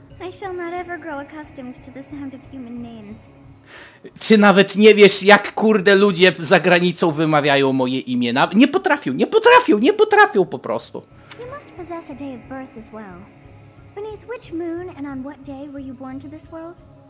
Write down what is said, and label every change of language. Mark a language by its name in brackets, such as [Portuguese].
[English] I shall not ever grow accustomed to the sound of human names. [Polish] Ty nawet nie wiesz, jak kurde ludzie za granicą wymawiają moje imię. Nie potrafią po prostu. [English] You must possess a day of birth as well. Beneath which moon and on what day were you born to this world?